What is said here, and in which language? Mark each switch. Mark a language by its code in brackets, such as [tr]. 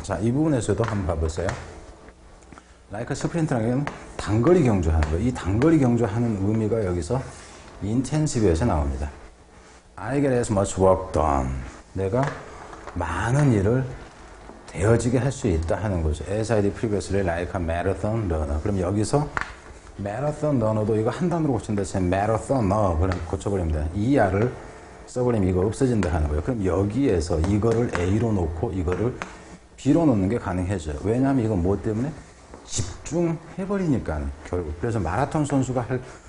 [ko] 자, 이 부분에서도 한번 봐보세요. Like a Sprinter라는 게 단거리 경주하는 거. 이 단거리 경주하는 의미가 여기서 intensive에서 나옵니다. [en] I get as much work done. [ko] 내가 많은 일을 되어지게 할 수 있다 하는 거죠. [en] As I did previously, like a marathon runner. [ko] 그럼 여기서 marathon runner도 이거 한 단어로 고친다. marathoner. 고쳐버립니다. ER을 써버리면 이거 없어진다 하는 거예요. 그럼 여기에서 이거를 A로 놓고 이거를 B로 놓는 게 가능해져요. 왜냐하면 이건 뭐 때문에? 집중해버리니까 결국 그래서 마라톤 선수가 할